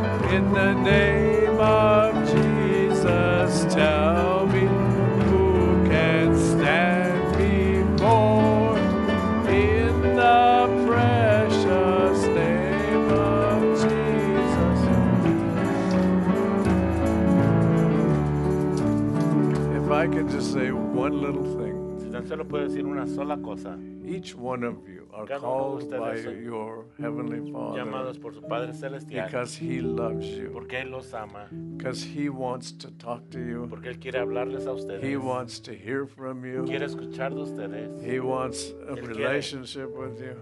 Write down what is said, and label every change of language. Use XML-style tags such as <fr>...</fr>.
<en>In the name of Jesus, tell me who can stand before. In the precious name of Jesus. If I could just say one little thing.</en> <es>Si tan solo puedo decir una sola cosa.</es> <en>Each one of you are called by your heavenly Father.</en> <es>Llamados por su Padre Celestial.</es> <en>Because he loves you.</en> <es>Porque él los ama.</es> <en>Because he wants to talk to you.</en> <es>Porque él quiere hablarles a ustedes.</es> <en>He wants to hear from you.</en> <es>Quiere escuchar de ustedes.</es> <en>He wants a relationship with you.</en>